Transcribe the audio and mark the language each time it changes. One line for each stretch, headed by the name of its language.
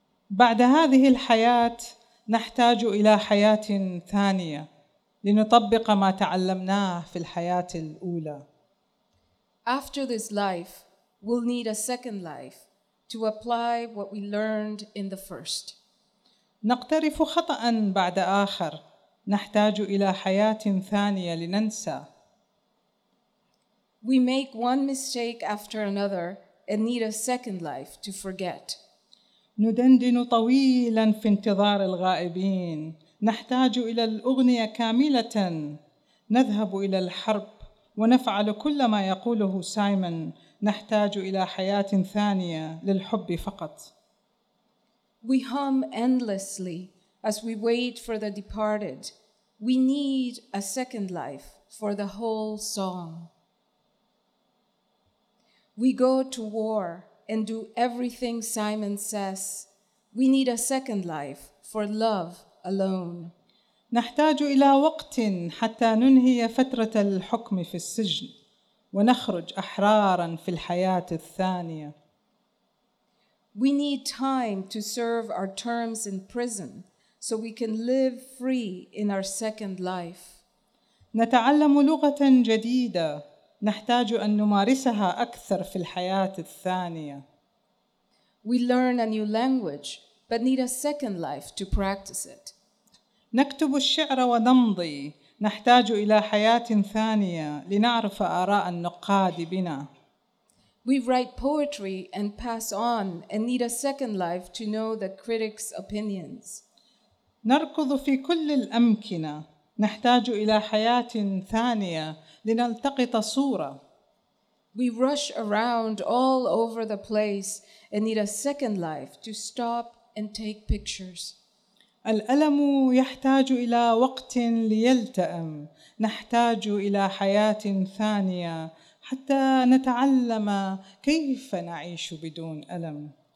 Arabic: بعد هذه الحياة نحتاج إلى حياة ثانية لنطبق ما تعلمناه في الحياة الأولى.
English: After this life, we'll need a second life to apply what we learned in the first.
Arabic: نقترف خطأً بعد آخر. نحتاج إلى حياة ثانية لننسى.
English: We make one mistake after another and need a second life to forget.
Arabic: ندندن طويلا في انتظار الغائبين. نحتاج إلى الأغنية كاملة. نذهب إلى الحرب ونفعل كل ما يقوله سايمون. نحتاج إلى حياة ثانية للحب فقط.
English: We hum endlessly as we wait for the departed. We need a second life for the whole song. We go to war and do everything Simon says. We need a second life for love alone.
Arabic: نحتاج إلى وقت حتى ننهي فترة الحكم في السجن ونخرج أحرارا في الحياة الثانية.
English: We need time to serve our terms in prison so we can live free in our second life.
Arabic: نتعلم لغة جديدة نحتاج أن نمارسها أكثر في الحياة الثانية.
English: We learn a new language but need a second life to practice it.
Arabic: نكتب الشعر ونمضي نحتاج إلى حياة ثانية لنعرف آراء النقاد بنا.
English: We write poetry and pass on and need a second life to know the critics' opinions.
Arabic: نركض في كل الأمكنة نحتاج إلى حياة ثانية لنلتقط صورة.
English: We rush around all over the place and need a second life to stop and take pictures.
Arabic: الألم يحتاج إلى وقت ليلتئم نحتاج إلى حياة ثانية حتى نتعلم كيف نعيش بدون ألم.